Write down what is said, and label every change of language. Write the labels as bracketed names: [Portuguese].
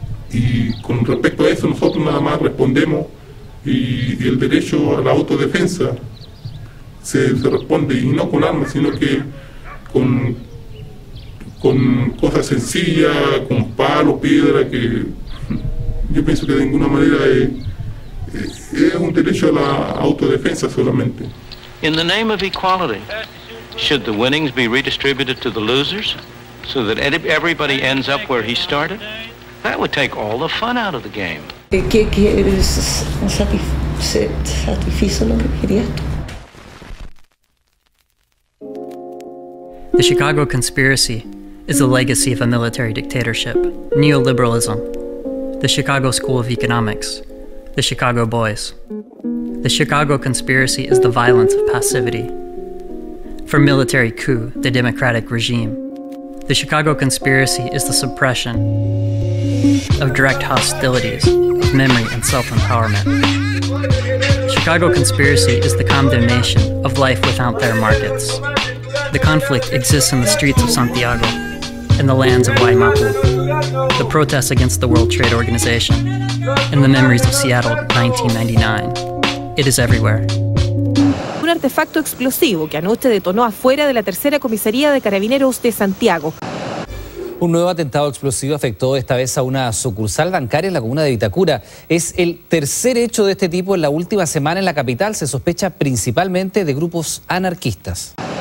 [Spanish] Y con respecto a eso nosotros nada más respondemos y el derecho a la autodefensa se responde, y no con armas, sino que con cosas sencillas, con palo, piedra, que yo pienso que de ninguna manera es un derecho a la autodefensa solamente. [English] In the name of equality, should the winnings be redistributed to the losers so that everybody ends up where he started? That would take all the fun out of the game. The Chicago conspiracy is a legacy of a military dictatorship, neoliberalism, the Chicago School of Economics, the Chicago Boys. The Chicago conspiracy is the violence of passivity. For military coup, the democratic regime. The Chicago conspiracy is the suppression of direct hostilities, of memory and self-empowerment. Chicago conspiracy is the condemnation of life without their markets. The conflict exists in the streets of Santiago, in the lands of Waimapu, the protests against the World Trade Organization, and the memories of Seattle 1999. It is everywhere. [Spanish] Un artefacto explosivo que anoche detonó afuera de la tercera comisaría de carabineros de Santiago. Un nuevo atentado explosivo afectó esta vez a una sucursal bancaria en la comuna de Vitacura. Es el tercer hecho de este tipo en la última semana en la capital. Se sospecha principalmente de grupos anarquistas.